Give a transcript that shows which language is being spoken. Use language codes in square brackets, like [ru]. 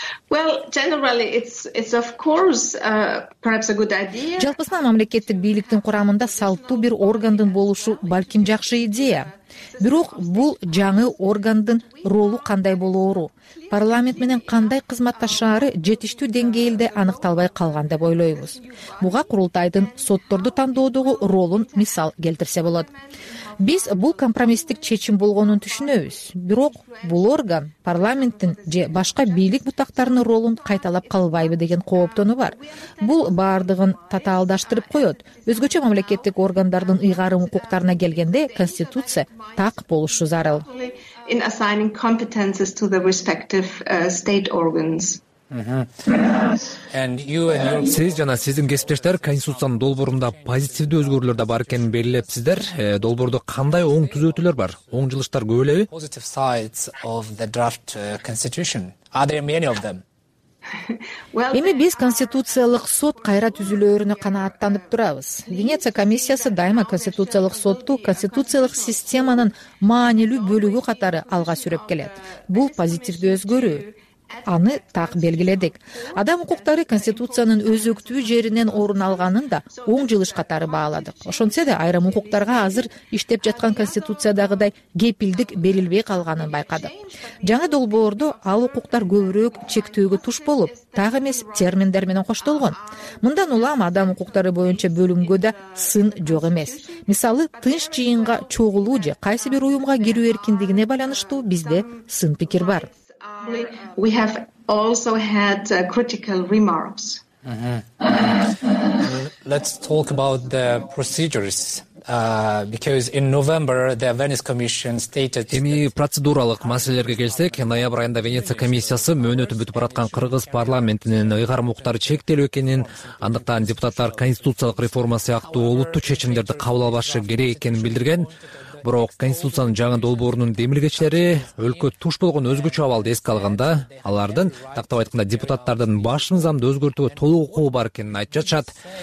[en] Well, generally it's of course perhaps a good idea. [ky] Жалпысынан мамлекеттик бийликтин курамында салттуу бир органдын болушу балким жакшы идея. Бирок бул жаңы органдын ролу кандай болоору, парламент менен кандай кызматташары жетиштүү деңгээлде аныкталбай калган деп ойлойбуз. Буга курултайдын сотторду тандоодогу ролун мисал келтирсе болот. Биз бул компромисстик чечим болгонун түшүнөбүз. Бирок бул орган парламенттин же башка бийлик бутактарынын ролун кайталап калбайбы деген кооптонуу бар. Бул баардыгын татаалдаштырып коет. Өзгөчө мамлекеттик органдардын ыйгарым укуктарына келгенде конституция так болушу зарыл. [en] In assigning competences to the respective state organs. [ky] Сиз жана сиздин кесиптештер конституциянын долбоорунда позитивдүү өзгөрүүлөр да бар экенин белгилепсиздер. Долбоордо кандай оң түзөтүүлөр бар? Оң жылыштар көп элеби? [en] Positive sides of the draft constitution. Are there many of them? [ky] Эми биз конституциялык сот кайра түзүлөөрүнө канааттанып турабыз. Венеция комиссиясы дайыма конституциялык сотту конституциялык системанын маанилүү бөлүгү катары алга сүрөп келет. Бул позитивдүү өзгөрүү. Аны так белгиледик. Адам укуктары конституциянын өзөктүү жеринен орун алганын да оң жылыш катары бааладык. Ошентсе да айрым укуктарга азыр иштеп жаткан конституциядагыдай кепилдик берилбей калганын байкадык. Жаңы долбоордо ал укуктар көбүрөөк чектөөгө туш болуп, так эмес терминдер менен коштолгон. Мындан улам адам укуктары боюнча бөлүмгө да сын жок эмес. Мисалы, тынч жыйынга чогулуу же кайсы бир уюмга кирүү эркиндигине байланыштуу бизде сын пикир бар. [en] We have also had critical remarks. Let's talk about the procedures. Because in November the Venice Commission stated [ky] эми процедуралык маселелерге келсек, ноябрь айында Венеция комиссиясы мөөнөтү бүтүп бараткан кыргыз парламентинин ыйгарым укуктары чектелүү экенин, андыктан депутаттар конституциялык реформа сыяктуу олуттуу чечимдерди кабыл албашы керек экенин билдирген. Бирок конституциянын жаңы долбоорунун демилгечилери өлкө туш болгон өзгөчө абалды эске алганда, алардын, тактап айтканда, депутаттардын баш мыйзамды өзгөртүүгө толук укугу бар экенин айтып жатышат.